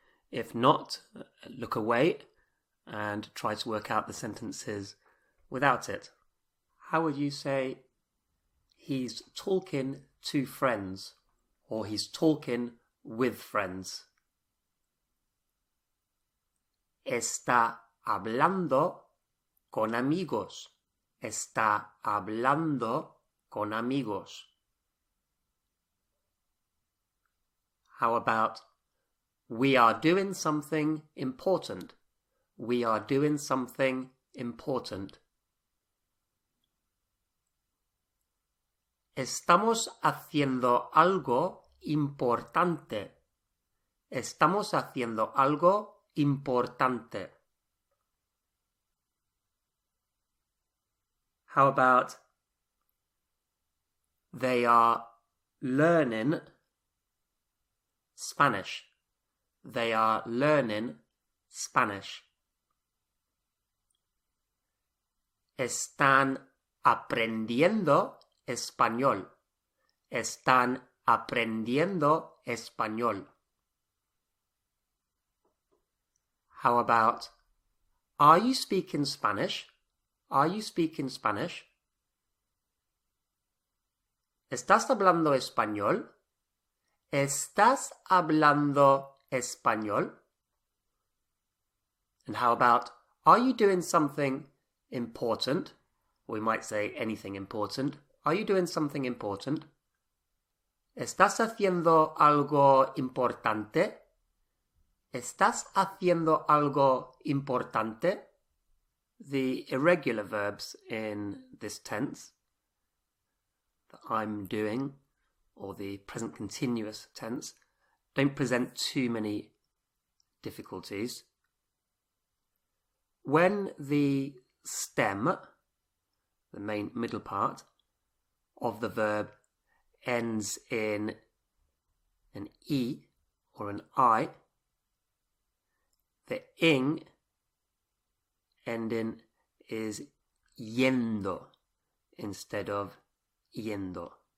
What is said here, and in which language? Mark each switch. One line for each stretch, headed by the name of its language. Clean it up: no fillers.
English: If not, look away and try to work out the sentences without it. How would you say he's talking to friends or he's talking with friends?
Spanish: Está hablando con amigos. Está hablando con amigos.
English: How about we are doing something important? We are doing something important.
Spanish: Estamos haciendo algo importante. Estamos haciendo algo importante.
English: How about they are learning Spanish? They are learning Spanish.
Spanish: Están aprendiendo español. Están aprendiendo español.
English: How about, are you speaking Spanish? Are you speaking Spanish?
Spanish: ¿Estás hablando español? ¿Estás hablando español?
English: And how about, are you doing something important? We might say anything important. Are you doing something important?
Spanish: ¿Estás haciendo algo importante? ¿Estás haciendo algo importante?
English: The irregular verbs in this tense, the I'm doing, or the present continuous tense, don't present too many difficulties. When the stem, the main middle part, of the verb ends in an E or an I, the ing ending is yendo instead of yendo.